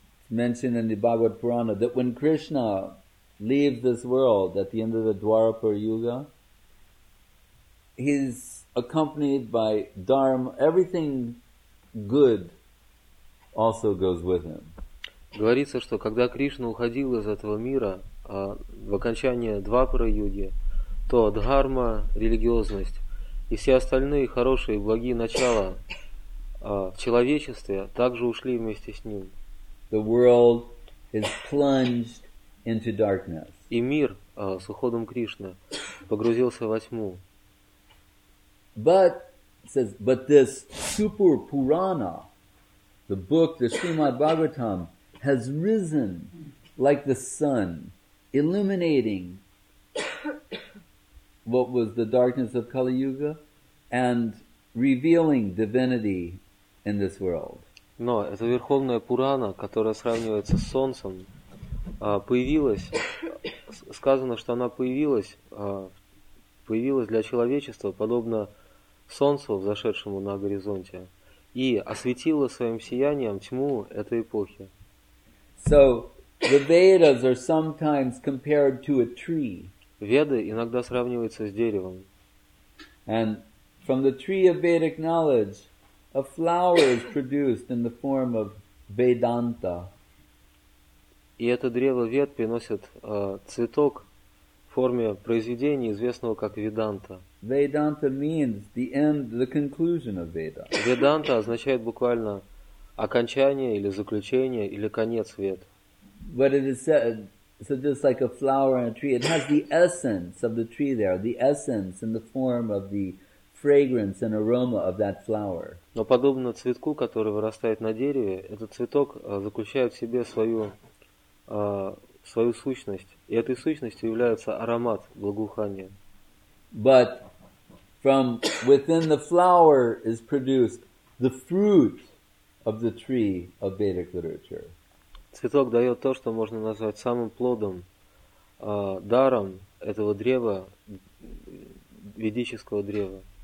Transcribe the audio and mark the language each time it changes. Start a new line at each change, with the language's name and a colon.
English: Mentioned in the Bhagavad Purana that when Krishna leaves this world at the end of the Dwarapar Yuga, he's accompanied by dharma. Everything good also goes with him.
Russian: Говорится, что когда Кришна уходил из этого мира в окончание Двапара Юги, то дхарма, религиозность и все остальные хорошие и благие начала в человечестве также ушли вместе с ним.
English: The world is plunged into darkness.
Russian: И мир с уходом Кришны погрузился во тьму.
English: But this Super Purana, the book, the Srimad Bhagavatam, has risen like the sun, illuminating what was the darkness of Kali Yuga and revealing divinity in this world.
Russian: Но эта Верховная Пурана, которая сравнивается с Солнцем, появилась, сказано, что она появилась для человечества, подобно Солнцу, взошедшему на горизонте, и осветила своим сиянием тьму этой эпохи.
English: So, the Vedas are sometimes compared to a tree.
Russian: Веды иногда сравниваются с деревом.
English: And from the tree of Vedic knowledge, a flower is produced in the form of Vedanta.
Russian: И это древо Вед приносит цветок в форме произведения, известного как Веданта.
English: Vedanta means the end, the conclusion of Veda.
Russian: Веданта означает буквально окончание или заключение или конец Вед.
English: But it is said, so just like a flower on a tree, it has the essence of the tree there, the essence in the form of the fragrance and aroma of that flower.
Russian: Но подобно цветку, который вырастает на дереве, этот цветок заключает в себе свою сущность, и этой сущностью является аромат, благоухание.
English: But from within the flower is produced the fruit of the tree of Vedic literature.
Russian: Цветок дает то, что можно назвать самым плодом, даром этого древа, ведического древа.